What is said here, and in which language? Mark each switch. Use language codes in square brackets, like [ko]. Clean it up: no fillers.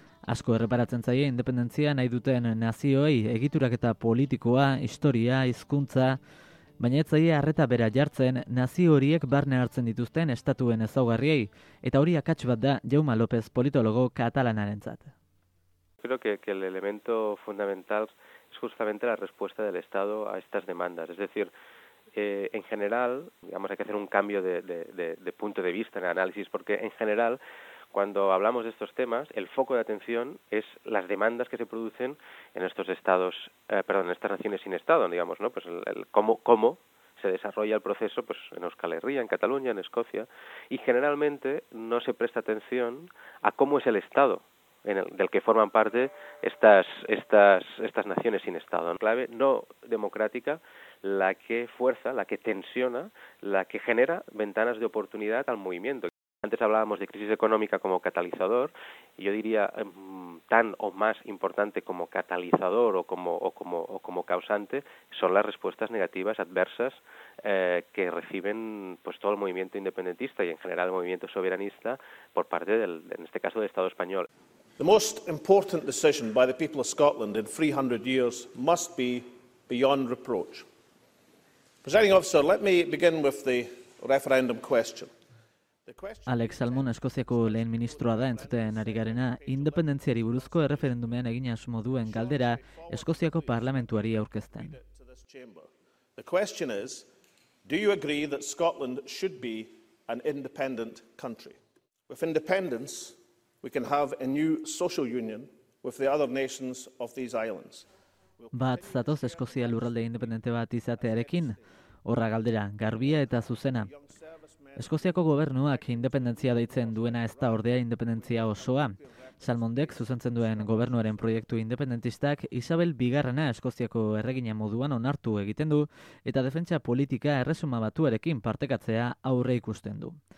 [eu] Asko erreparatzen zaie independentzia nahi duten nazioei egiturak eta politikoa, historia, hizkuntza, baina ez zaie arreta bera jartzen nazio horiek barne hartzen dituzten estatuen ezaugarriei, eta hori akats bat da Jaume López politologo katalanarentzat. [es] Creo que el elemento fundamental es justamente la respuesta del Estado a estas demandas, es decir, en general, digamos, hay que hacer un cambio de punto de vista en el análisis, porque en general, cuando hablamos de estos temas, el foco de atención es las demandas que se producen en estos estados, en estas naciones sin Estado, digamos, ¿no? Pues el cómo se desarrolla el proceso, pues en Euskal Herria, en Cataluña, en Escocia, y generalmente no se presta atención a cómo es el Estado del que forman parte estas naciones sin Estado. Clave no democrática, la que fuerza, la que tensiona, la que genera ventanas de oportunidad al movimiento. Antes hablábamos de crisis económica como catalizador, y yo diría tan o más importante como catalizador o como causante son las respuestas negativas, adversas, que reciben pues todo el movimiento independentista y en general el movimiento soberanista por parte del, en este caso, del Estado español. [en] The most important decision by the people of Scotland in 300 years must be beyond reproach. Presiding officer, let me begin with the referendum question. [eu] Alex Salmond, Eskoziako lehen ministroa da entzuten ari garena, independentziari buruzko erreferendumean egin asmo duen galdera Eskoziako parlamentuari aurkezten. [en] The question is, do you agree that Scotland should be an independent country? With independence, we can have a new social union with the other nations of these islands. [eu] Bat zatoz Eskozia lurralde independente bat izatearekin? Horra galdera, garbia eta zuzena. Eskoziako gobernuak independentzia deitzen duena ez da ordea independentzia osoa. Salmondek zuzentzen duen gobernuaren proiektu independentistak Isabel Bigarrena Eskoziako erregina moduan onartu egiten du eta defentsa politika erresuma batuarekin partekatzea aurre ikusten du.